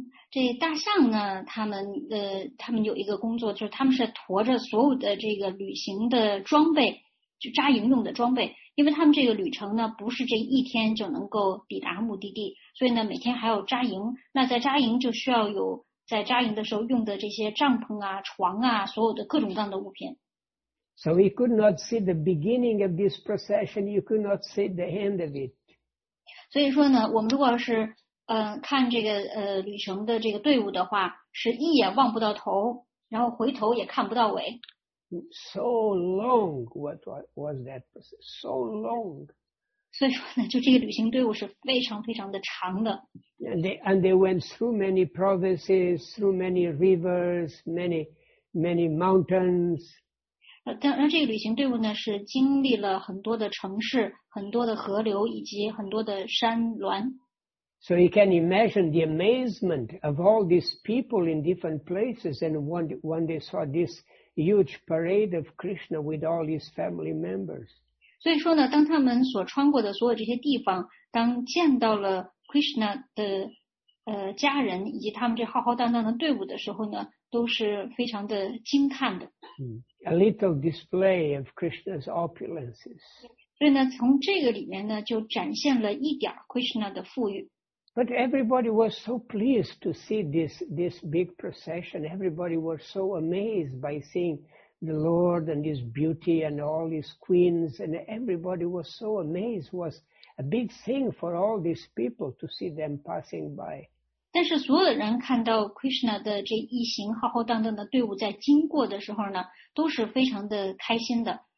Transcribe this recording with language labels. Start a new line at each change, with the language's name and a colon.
Chinese: 这大象呢，他们有一个工作，就是他们是驮着所有的这个旅行的装备，就扎营用的装备。因为他们这个旅程呢，不是这一天就能够抵达目的地，所以呢，每天还要扎营。那在扎营就需要有。在扎营的时候用的这些帐篷啊、床啊，所有的各种各样的物品。
English: So we could not see the beginning of this procession. You could not see the end of it.
Chinese: 所以说呢，我们如果是看这个旅程的这个队伍的话，是一眼望不到头，然后回头也看不到尾。
English: So long, what was that process? So long.
Chinese: 所以说呢，就这个旅行队伍是非常非常的长的。
English: And they went through many provinces, through many rivers, many many mountains.
Chinese: 但这个旅行队伍呢，是经历了很多的城市、很多的河流以及很多的山峦。
English: So you can imagine the amazement of all these people in different places, and when they saw this huge parade of Krishna with all his family members.
Chinese: 所以说呢，当他们所穿过的所有这些地方，当见到了 Krishna 的家人以及他们这浩浩荡荡的队伍的时候呢，都是非常的惊叹的。
English: A little display of Krishna's opulences.
Chinese: 所以呢，从这个里面呢，就展现了一点 Krishna 的富裕。
English: But everybody was so pleased to see this big procession. Everybody was so amazed by seeing the Lord and His beauty and all His queens. And everybody was so amazed. It was a big thing for all these people to see them passing by.
Chinese: 但是所有人看到 Krishna 的这一行浩浩荡荡的队伍在经过的时候呢，都是非常的开心的。